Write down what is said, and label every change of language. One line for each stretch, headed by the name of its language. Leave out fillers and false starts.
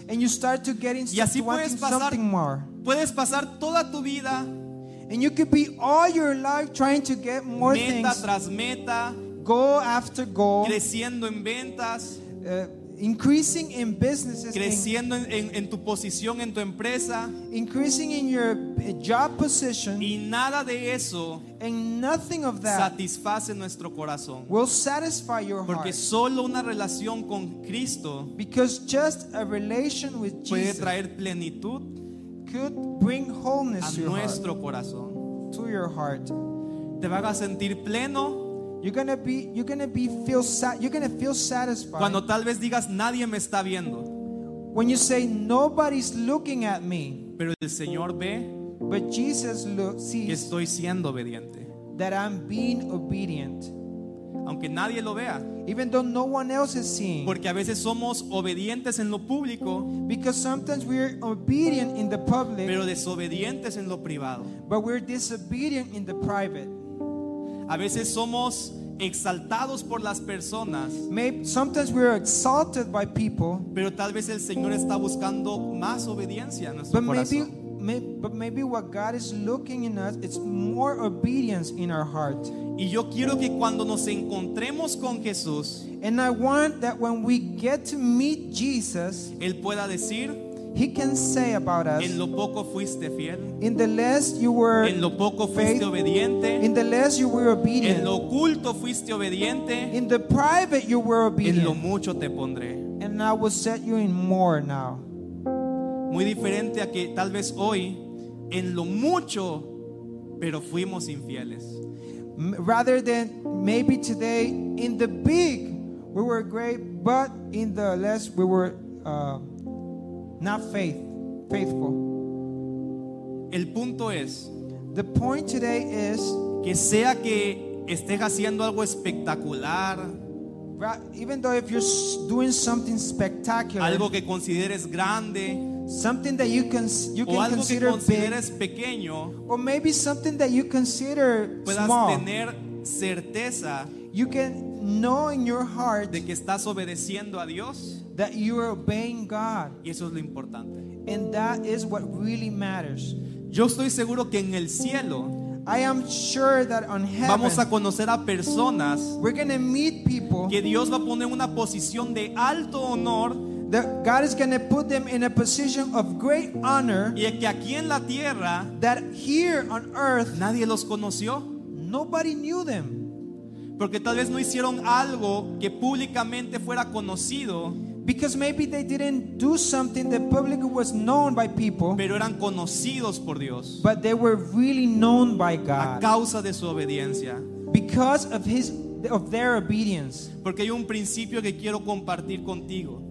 English: And you start to get into wanting something more.
Spanish: Puedes pasar toda tu vida.
English: And you could be all your life trying to get more
Spanish: meta
English: things.
Spanish: Meta tras meta.
English: Goal after goal.
Spanish: Creciendo en ventas.
English: Increasing in businesses.
Spanish: Creciendo en tu posición, en tu empresa.
English: Increasing in your job position.
Spanish: Y nada de eso.
English: And nothing of that.
Spanish: Satisface nuestro corazón.
English: Will satisfy your heart.
Spanish: Porque solo una relación con Cristo.
English: Because just a relation with Jesus.
Spanish: Puede traer plenitud.
English: Could bring wholeness
Spanish: a nuestro corazón.
English: To your heart.
Spanish: Te vas a sentir pleno.
English: You're gonna feel satisfied.
Spanish: Cuando tal vez digas nadie me está viendo.
English: When you say nobody's looking at me.
Spanish: Pero el Señor ve.
English: But Jesus sees.
Spanish: Que estoy siendo obediente.
English: That I'm being obedient.
Spanish: Aunque nadie lo vea.
English: Even though no one else is seeing.
Spanish: Porque a veces somos obedientes en lo público.
English: Because sometimes we're obedient in the public.
Spanish: Pero desobedientes en lo privado.
English: But we're disobedient in the private.
Spanish: A veces somos exaltados por las personas.
English: Maybe sometimes we're exalted by people.
Spanish: Pero tal vez el Señor está buscando más obediencia en nuestro corazón.
English: But maybe what God is looking in us is more obedience in our heart.
Spanish: Y yo quiero que cuando nos encontremos con Jesús,
English: and I want that when we get to meet Jesus,
Spanish: él pueda decir,
English: he can say about us,
Spanish: en lo poco fuiste fiel,
English: in the less you were,
Spanish: en lo poco fuiste
English: faith,
Spanish: obediente,
English: in the less you were obedient,
Spanish: en lo oculto fuiste obediente,
English: in the private you were obedient,
Spanish: en lo mucho te pondré,
English: and I will set you in more now.
Spanish: Muy diferente a que tal vez hoy, en lo mucho, pero fuimos infieles.
English: rather than maybe today in the big we were great, but in the less we were not faithful.
Spanish: El punto es,
English: the point today is,
Spanish: que sea que estés haciendo algo espectacular,
English: even though if you're doing something spectacular,
Spanish: algo que consideres grande,
English: something that you can
Spanish: o algo
English: consider
Spanish: que consideres
English: big,
Spanish: pequeño,
English: or maybe something that you consider
Spanish: puedas
English: small,
Spanish: tener certeza,
English: you can know in your heart,
Spanish: de que estás obedeciendo a Dios,
English: that you are obeying God.
Spanish: Y eso es lo importante.
English: And that is what really matters.
Spanish: Yo estoy seguro que en el cielo,
English: I am sure that on heaven,
Spanish: vamos a conocer a personas,
English: we're going to meet people,
Spanish: que Dios va a poner en una posición de alto honor,
English: that God is going to put them in a position of great honor,
Spanish: y que aquí en la tierra,
English: that here on earth,
Spanish: nadie los conoció,
English: nobody knew them,
Spanish: porque tal vez no hicieron algo que públicamente fuera conocido,
English: because maybe they didn't do something that publicly was known by people,
Spanish: pero eran conocidos por Dios,
English: but they were really known by God,
Spanish: a causa de su obediencia,
English: because of his of their obedience.
Spanish: Porque hay un principio que quiero compartir contigo,